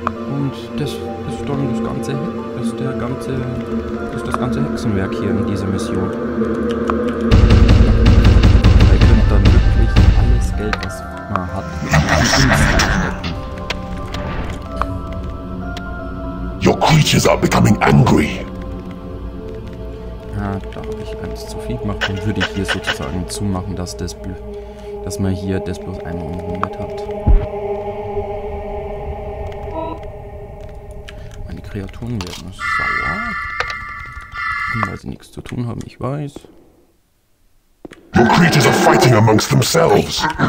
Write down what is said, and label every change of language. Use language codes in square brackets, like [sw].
[de] Und das ist dann das ganze, ist das ganze Hexenwerk hier in dieser Mission. Ihr könnt dann wirklich alles Geld, was man hat, stecken. [en] Your creatures are becoming angry. [de] Ah, da habe ich eins zu viel gemacht. Dann würde ich hier sozusagen zumachen, dass das, dass man hier das bloß einmal umrundet hat. Meine Kreaturen werden sauer, weil sie nichts zu tun haben, ich weiß. [en] Your creatures are fighting amongst themselves.